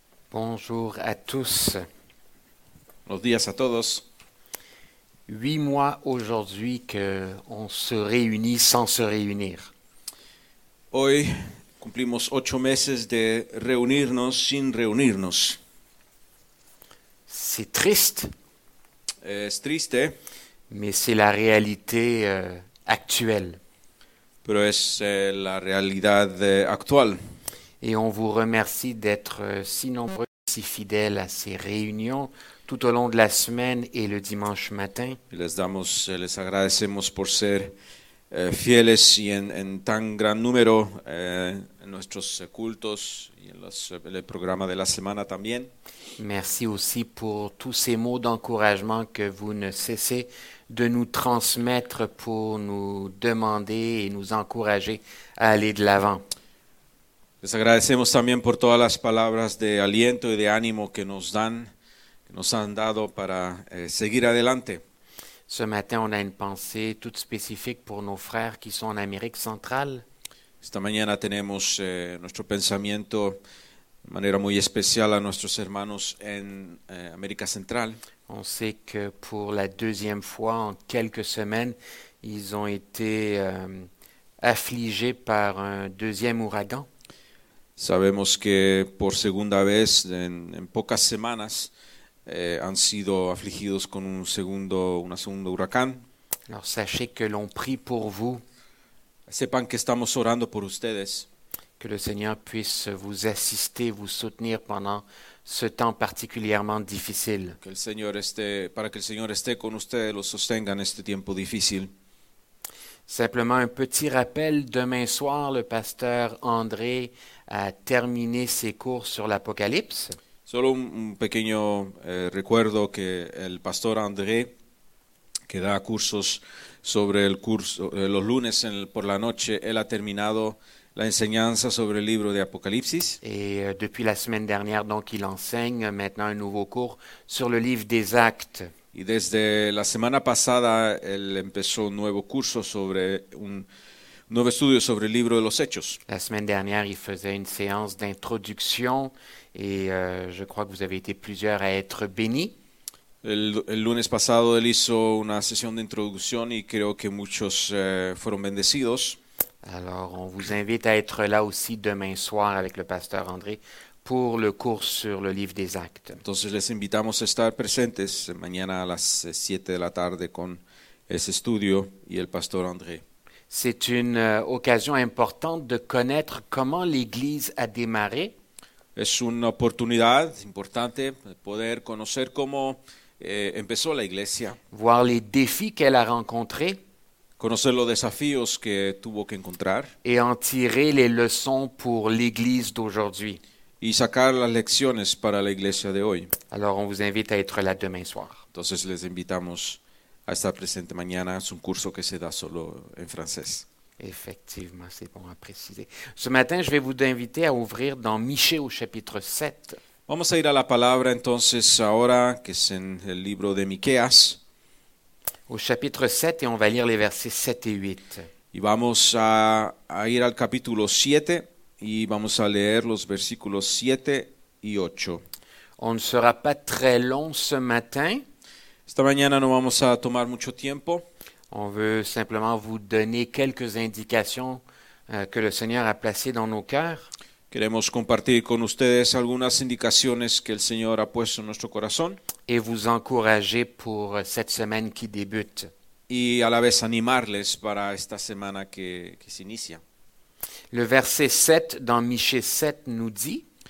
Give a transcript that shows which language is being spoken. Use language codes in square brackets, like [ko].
[fr] Bonjour à tous. [es] Buenos días a todos. [fr] 8 mois aujourd'hui qu'on se réunit sans se réunir. [es] Hoy cumplimos 8 meses de reunirnos sin reunirnos. [fr] C'est triste. [es] Es triste. [fr] Mais c'est la réalité actuelle. [es] Pero es la realidad actual. [fr] Et on vous remercie d'être si nombreux. Si fidèle à ces réunions tout au long de la semaine et le dimanche matin. [es] Les agradecemos por ser fieles y en tan gran número en nuestros cultos y en el programa de la semana también. [fr] Merci aussi pour tous ces mots d'encouragement que vous ne cessez de nous transmettre pour nous demander et nous encourager à aller de l'avant. [es] Les agradecemos también por todas las palabras de aliento y de ánimo que nos dan, que nos han dado para seguir adelante. [fr] Ce matin, on a une pensée toute spécifique pour nos frères qui sont en Amérique centrale. [es] Esta mañana tenemos nuestro pensamiento de manera muy especial a nuestros hermanos en América Central. [fr] On sait que pour la deuxième fois en quelques semaines, ils ont été affligés par un deuxième ouragan. [es] Sabemos que por segunda vez en pocas semanas han sido afligidos con un segundo huracán. [fr] Alors, sachez que l'on prie pour vous. [es] Sepan que estamos orando por ustedes. [fr] Que le Seigneur puisse vous assister, vous soutenir pendant ce temps particulièrement difficile. [es] Que el Señor esté con ustedes, lo sostenga en este tiempo difícil. [fr] Simplement un petit rappel, demain soir, le pasteur André a terminé ses cours sur l'Apocalypse. [es] Solo un pequeño recuerdo que el pastor André, que da cursos sobre el curso, los lunes por la noche, él ha terminado la enseñanza sobre el libro de Apocalipsis. [fr] Et depuis la semaine dernière, donc, il enseigne maintenant un nouveau cours sur le livre des Actes. [es] Y desde la semana pasada él empezó un nuevo curso sobre un nuevo estudio sobre el libro de los Hechos. La semana [fr] dernière, il faisait une séance d'introduction et je crois que vous avez été plusieurs à être bénis. [es] El lunes pasado él hizo una sesión de introducción y creo que muchos fueron bendecidos. [fr] Alors, on vous invite à être là aussi demain soir avec le pasteur André. Pour le cours sur le livre des Actes. [es] Entonces les invitamos a estar presentes mañana a las 7 de la tarde con ese estudio y el pastor André. [fr] C'est une occasion importante de connaître comment l'Église a démarré. [es] Es una oportunidad importante poder conocer cómo empezó la Iglesia. [fr] Voir les défis qu'elle a rencontrés. [es] Conocer los desafíos que tuvo que encontrar. [fr] Et en tirer les leçons pour l'Église d'aujourd'hui. [es] Y sacar las lecciones para la iglesia de hoy. [fr] Alors, on vous invite à être là demain soir. [es] Entonces, les invitamos a estar presente mañana. Es un curso que se da solo en francés. [fr] Effectivement, c'est bon à préciser. Ce matin, je vais vous inviter à ouvrir dans Michée au chapitre 7. [es] Vamos a ir a la palabra entonces ahora, que es en el libro de Miqueas. [fr] Au chapitre 7, et on va lire les versets 7 et 8. [es] Y vamos a ir al capítulo 7. Y vamos a leer los versículos 7 y 8. [fr] On ne sera pas très long ce matin. [es] Esta mañana no vamos a tomar mucho tiempo. [fr] On veut simplement vous donner quelques indications que le Seigneur a placées dans nos cœurs. [es] Queremos compartir con ustedes algunas indicaciones que el Señor ha puesto en nuestro corazón. [fr] Et vous encourager pour cette semaine qui débute. [es] Y a la vez animarles para esta semana que se inicia. [fr] Le verset 7 dans Michée 7 nous dit.